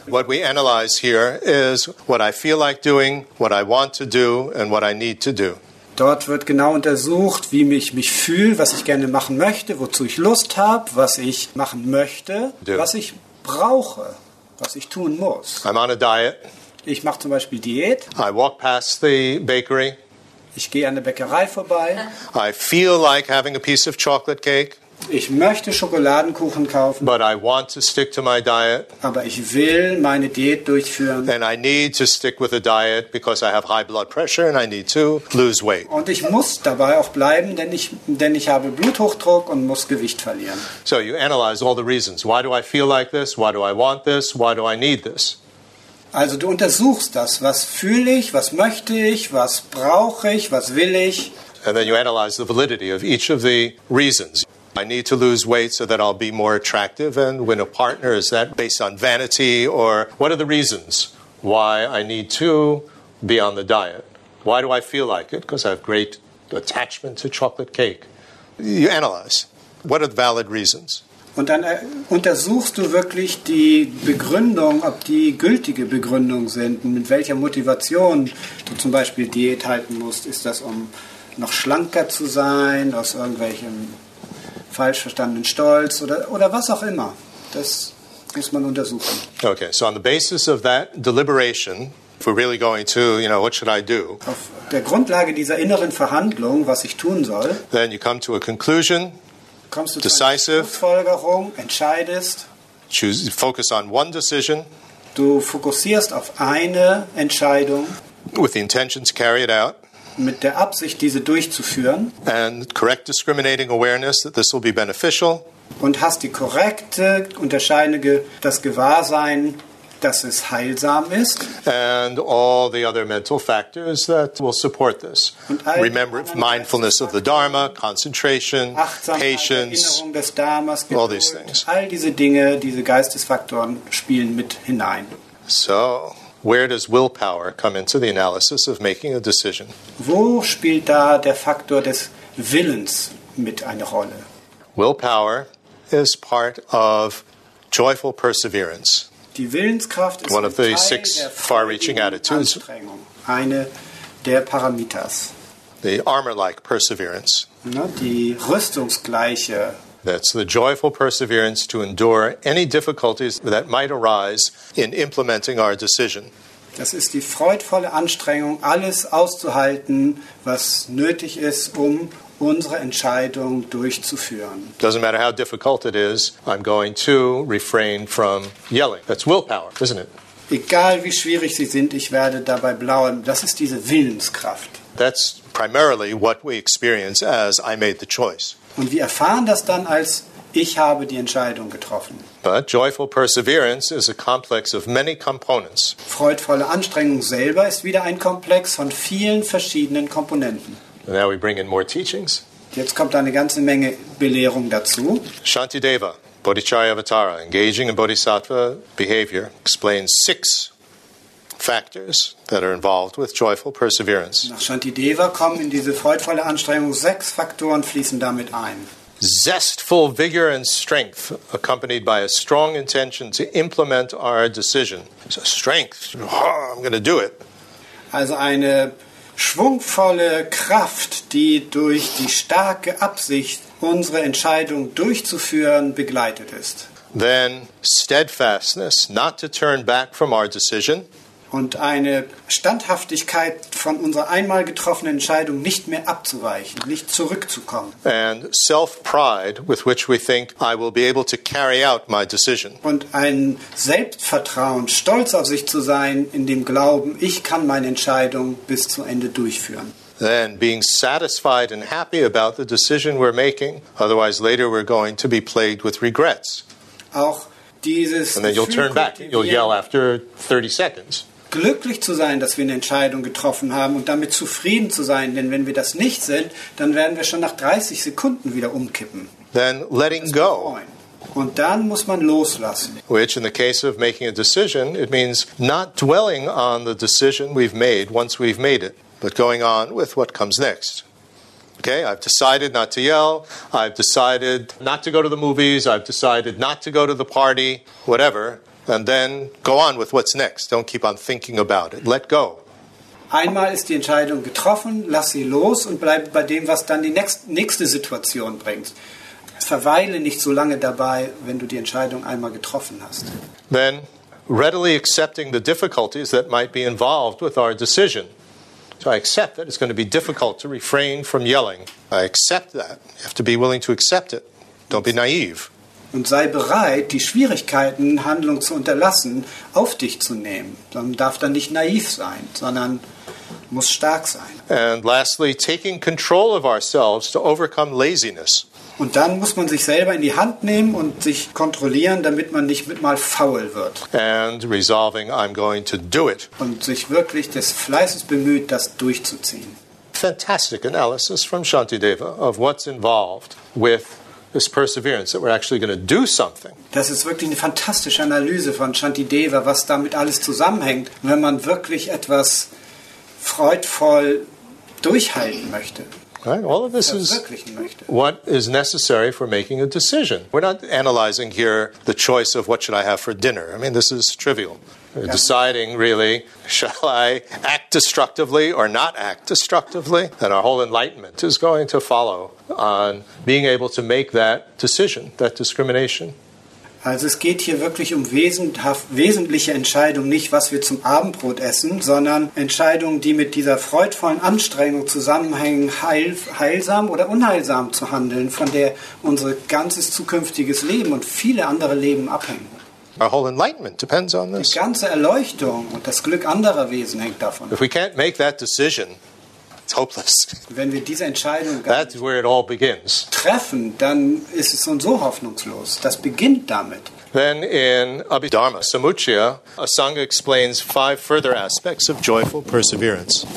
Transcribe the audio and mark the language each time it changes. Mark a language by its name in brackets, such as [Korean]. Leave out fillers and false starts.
[English] What we analyze here is what I feel like doing, what I want to do and what I need to do. [German] Dort wird genau untersucht, wie ich mich fühle, was ich gerne machen möchte, wozu ich Lust habe, was ich machen möchte, was ich brauche, was ich tun muss. [English] I'm on a diet. [German] Ich mache zum Beispiel Diät. [English] I walk past the bakery. [German] Ich gehe an der Bäckerei vorbei. [English] I feel like having a piece of chocolate cake. [German] Ich möchte Schokoladenkuchen kaufen. [English] But I want to stick to my diet. [German] Aber ich will meine Diät durchführen. [English] And I need to stick with the diet because I have high blood pressure and I need to lose weight. [German] Und ich muss dabei auch bleiben, denn ich habe Bluthochdruck und muss Gewicht verlieren. [English] So you analyze all the reasons. Why do I feel like this? Why do I want this? Why do I need this? [German] Also du untersuchst das. Was fühle ich? Was möchte ich? Was brauche ich? Was will ich? [English] And then you analyze the validity of each of the reasons. I need to lose weight so that I'll be more attractive and win a partner. Is that based on vanity or what are the reasons why I need to be on the diet? Why do I feel like it? Because I have great attachment to chocolate cake. You analyze. What are the valid reasons? [German] Und dann untersuchst du wirklich die Begründung, ob die gültige Begründung sind und mit welcher Motivation du zum Beispiel Diät halten musst. Ist das, um noch schlanker zu sein, aus irgendwelchen falsch verstandenen Stolz oder was auch immer. Das muss man untersuchen. [English] Okay, so on the basis of that deliberation, if we're really going to, you know, what should I do? [German] Auf der Grundlage dieser inneren Verhandlung, was ich tun soll, [English] then you come to a conclusion, [German] kommst du [English] decisive, [German] zu einer Schlussfolgerung, entscheidest, [English] focus on one decision, [German] du fokussierst auf eine Entscheidung, [English] with the intention to carry it out, [German] mit der Absicht, diese durchzuführen. [English] And correct discriminating awareness that this will be beneficial. [German] Und hast die korrekte, unterscheidende, das Gewahrsein, dass es heilsam ist. [English] And all the other mental factors that will support this. Remember, mindfulness of the Dharma, concentration, patience, [German] Erinnerung des Dharmas, Geduld, [English] all these things. [German] All diese Dinge, diese Geistesfaktoren spielen mit hinein. [English] So, where does willpower come into the analysis of making a decision? [German] Wo spielt da der Faktor des Willens mit eine Rolle? [English] Willpower is part of joyful perseverance. [German] Die Willenskraft ist [English] one of the six far-reaching attitudes. [German] Eine der Paramitas. [English] The armor-like perseverance. [German] Die rüstungsgleiche. [English] That's the joyful perseverance to endure any difficulties that might arise in implementing our decision. [German] Das ist die freudvolle Anstrengung, alles auszuhalten, was nötig ist, um unsere Entscheidung durchzuführen. [English] Doesn't matter how difficult it is, I'm going to refrain from yelling. That's willpower, isn't it? [German] Egal wie schwierig sie sind, ich werde dabei bleiben. Das ist diese Willenskraft. [English] That's primarily what we experience as I made the choice. [German] Und wir erfahren das dann als ich habe die Entscheidung getroffen. [English] But joyful perseverance is a complex of many components. [German] Freudvolle Anstrengung selber ist wieder ein Komplex von vielen verschiedenen Komponenten. [English] Now we bring in more teachings. [German] Jetzt kommt eine ganze Menge Belehrung dazu. [English] Shantideva, Bodhicharya Avatara, engaging in Bodhisattva behavior, explains six factors that are involved with joyful perseverance. [German] Nach Shantideva kommen in diese freudvolle Anstrengung sechs Faktoren fließen damit ein. [English] Zestful vigor and strength accompanied by a strong intention to implement our decision. So strength, oh, I'm going to do it. [German] Also eine schwungvolle Kraft, die durch die starke Absicht unsere Entscheidung durchzuführen begleitet ist. [English] Then steadfastness, not to turn back from our decision. [German] Und eine Standhaftigkeit von unserer einmal getroffenen Entscheidung nicht mehr abzuweichen, nicht zurückzukommen. [English] And self-pride, with which we think I will be able to carry out my decision. [German] Und ein Selbstvertrauen, stolz auf sich zu sein, in dem Glauben, ich kann meine Entscheidung bis zu Ende durchführen. [English] Then being satisfied and happy about the decision we're making, otherwise later we're going to be plagued with regrets. [German] Auch dieses [English] and then you'll turn back. You'll yell after 30 seconds. [German] Glücklich zu sein, dass wir eine Entscheidung getroffen haben und damit zufrieden zu sein, denn wenn wir das nicht sind, dann werden wir schon nach 30 Sekunden wieder umkippen. [English] Then letting go. [German] Und dann muss man loslassen. [English] Which in the case of making a decision, it means not dwelling on the decision we've made once we've made it, but going on with what comes next. Okay, I've decided not to yell, I've decided not to go to the movies, I've decided not to go to the party, whatever. And then go on with what's next. Don't keep on thinking about it. Let go. [German] Einmal ist die Entscheidung getroffen, lass sie los und bleib bei dem, was dann die nächste Situation bringt. Verweile nicht so lange dabei, wenn du die Entscheidung einmal getroffen hast. [English] Then readily accepting the difficulties that might be involved with our decision. So I accept that it's going to be difficult to refrain from yelling. I accept that. You have to be willing to accept it. Don't be naive. [German] Und sei bereit, die Schwierigkeiten, Handlung zu unterlassen, auf dich zu nehmen. Man darf dann nicht naiv sein, sondern muss stark sein. [English] And lastly, taking control of ourselves to overcome laziness. [German] Und dann muss man sich selber in die Hand nehmen und sich kontrollieren, damit man nicht mit mal faul wird. [English] And resolving, I'm going to do it. [German] Und sich wirklich des Fleißes bemüht, das durchzuziehen. [English] Fantastic analysis from Shantideva of what's involved with this perseverance, that we're actually going to do something. [German] Das ist wirklich eine fantastische Analyse von Shantideva, was damit alles zusammenhängt, wenn man wirklich etwas freudvoll durchhalten möchte. [English] Right? All of this is what is necessary for making a decision. We're not analyzing here the choice of what should I have for dinner. I mean, this is trivial. We're deciding, really, shall I act destructively or not act destructively? And our whole enlightenment is going to follow on being able to make that decision, that discrimination. [German] Also es geht hier wirklich um wesentliche Entscheidungen, nicht was wir zum Abendbrot essen, sondern Entscheidungen, die mit dieser freudvollen Anstrengung zusammenhängen, heilsam oder unheilsam zu handeln, von der unser ganzes zukünftiges Leben und viele andere Leben abhängen. [English] Our whole enlightenment depends on this. [German] Die ganze Erleuchtung und das Glück anderer Wesen hängt davon ab. [English] If we can't make that decision, it's hopeless. [German] Wenn wir diese Entscheidung [English] that's where it all begins. [German] Treffen, dann ist es so hoffnungslos. Das beginnt damit. [English] Then in Abhidharma Samuchya, a Sangha explains 5 further aspects of joyful perseverance.